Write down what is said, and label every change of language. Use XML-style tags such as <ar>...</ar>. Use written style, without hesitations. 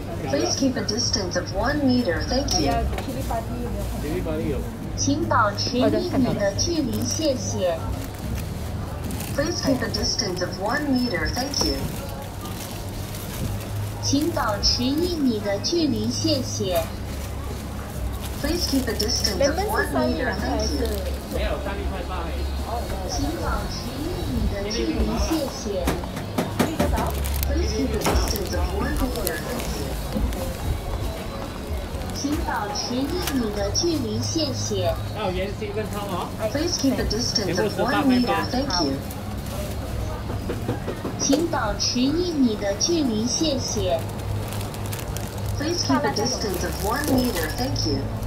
<en>Please keep a distance of 1 meter, thank you.</en> <zh>请保持一米的距离，谢谢。</zh> <en>Please keep a distance of 1 meter, thank you.</en> <zh>请保持一米的距离，谢谢。</zh> <en>Please keep a distance of 1 meter, thank you.</en> <zh>没有，三米快八。请保持一米的距离，谢谢。</zh> <en>Please keep a distance of 1 meter, thank you.</en> <zh>请保持一米的距离，谢谢。要延伸一分钟哦。</zh> <en>Please keep the distance of 1 meter. Thank you.</en> <zh>请保持一米的距离，谢谢。</zh> <en>Please keep a distance of 1 meter. Thank you.</en>